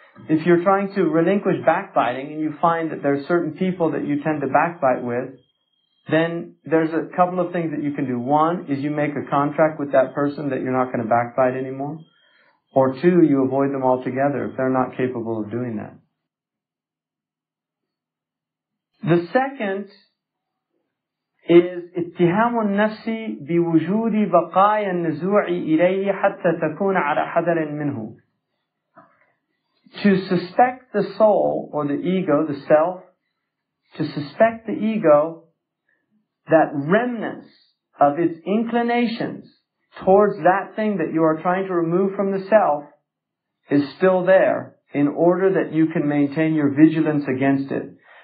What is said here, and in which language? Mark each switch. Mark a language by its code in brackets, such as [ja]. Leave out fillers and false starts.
[en] If you're trying to relinquish backbiting and you find that there are certain people that you tend to backbite with, then there's a couple of things that you can do. One is you make a contract with that person that you're not going to backbite anymore. Or two, you avoid them altogether if they're not capable of doing that. [ar] The second is اتِّهَامُ النَّفْسِ بِوُجُودِ بَقَايَ النَّزُوعِ إِلَيْهِ حَتَّى تَكُونَ عَلَى حَذَرٍ مِّنْهُ. [en] To suspect the soul, or the ego, the self, to suspect the ego that remnants of its inclinations towards that thing that you are trying to remove from the self is still there in order that you can maintain your vigilance against it.